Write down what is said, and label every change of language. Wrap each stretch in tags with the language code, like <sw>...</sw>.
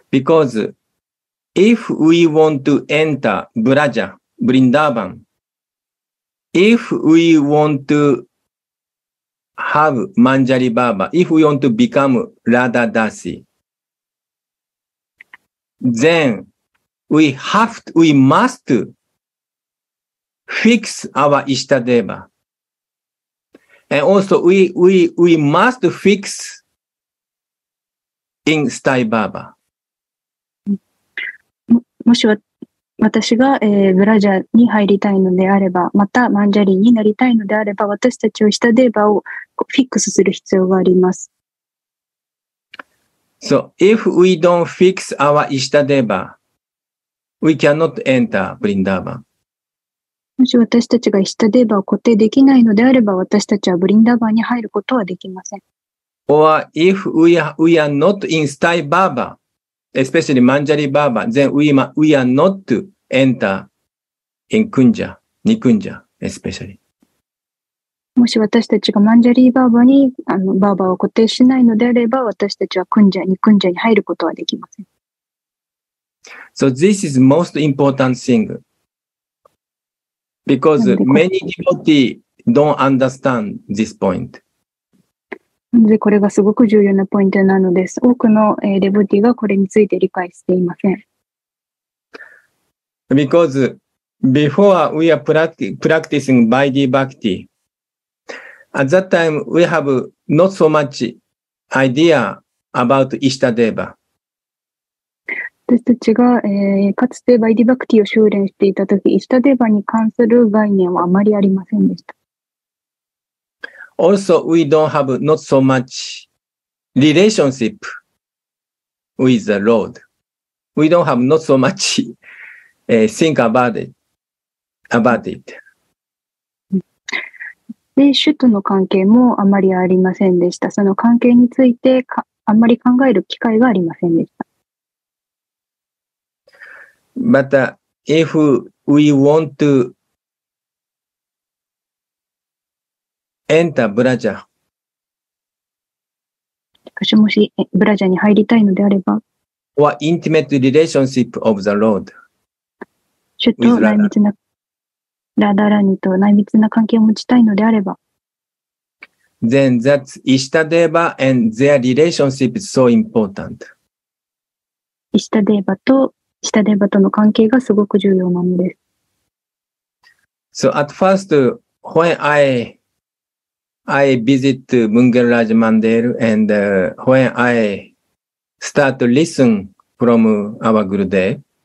<en>Because if we want to enter Braja, Vrindavan, if we want to have Manjari Baba, if we want to become Radha Dasi, then we must fix our Ishtadeva. And also we must fix in Stai Baba.</en> <ja>もし私が、ブラジャーに入りたいのであれば、またマンジャリになりたいのであれば、私たちをIshtadevaをフィックスする必要があります。</ja> <en>So if we don't fix our Ishtadeva, we cannot enter Vrindavan.</en> <ja>もし私たちがイシタデーバを固定できないのであれば、私たちはブリンダーバーに入ることはできません。</ja> <en>Or if we are not in Stai Baba, especially Manjari Baba, then we are not to enter in Kunja, Nikunja, especially.</en> <ja>もし私たちがマンジャリーバーバーに、バーバーを固定しないのであれば、私たちはクンジャ、ニクンジャに入ることはできません。</ja> <en>So this is most important thing. Because many devotees don't understand this point.</en> <ja>なのでこれがすごく重要なポイントなのです。多くのデボティがこれについて理解していません。</ja> <en>Because before we are practicing Vaidhi Bhakti, at that time we have not so much idea about Ishtadeva.</en> <ja>私たちが、かつてバイディバクティを修練していたとき、イシタデーバに関する概念はあまりありませんでした。</ja> <en>Also, we don't have not so much relationship with the Lord. We don't have not so much think about it.</en> <ja>で、主との関係もあまりありませんでした。その関係についてあまり考える機会がありませんでした。</ja> <en>But if we want to enter Braja,</en> <ja>もしブラジャに入りたいのであれば、</ja> <en>or intimate relationship of the Lord,</en> <ja>主と内密なラダラニと内密な関係を持ちたいのであれば、</ja> <en>then that Ishtadeva and their relationship is so important.</en> <ja>Ishtadevaとイシタデーバとの関係がすごく重要なのです。</ja> <en>So at first, when I visit Mungel Raj Mandir and when I start to listen from our Gurudev,</en>